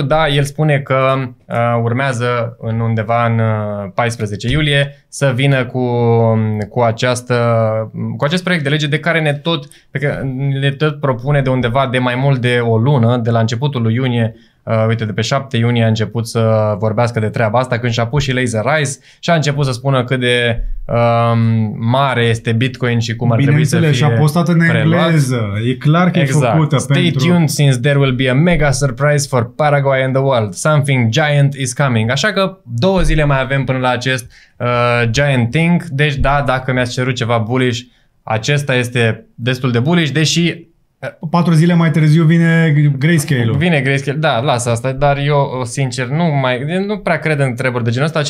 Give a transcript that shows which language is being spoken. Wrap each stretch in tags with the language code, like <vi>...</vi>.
<ro>Da, el spune că urmează undeva în 14 iulie să vină cu acest proiect de lege de care ne tot propune de undeva de mai mult de o lună, de la începutul lui iunie, Uite, de pe 7 iunie a început să vorbească de treaba asta, când și-a pus și Laser Eyes și a început să spună cât de mare este Bitcoin și cum ar trebui să fie. Și a postat în engleză. E clar că exact. E făcută.</ro> <en>Stay</en> <ro>pentru...</ro> <en>tuned, since there will be a mega surprise for Paraguay and the world. Something giant is coming.</en> <ro>Așa că două zile mai avem până la acest giant thing. Deci da, dacă mi-ați cerut ceva bullish, acesta este destul de bullish, deși 4 zile mai târziu vine Grayscale-ul. Vine Grayscale, da, lasă asta, dar eu sincer nu prea cred în treburi de genul ăsta.</ro>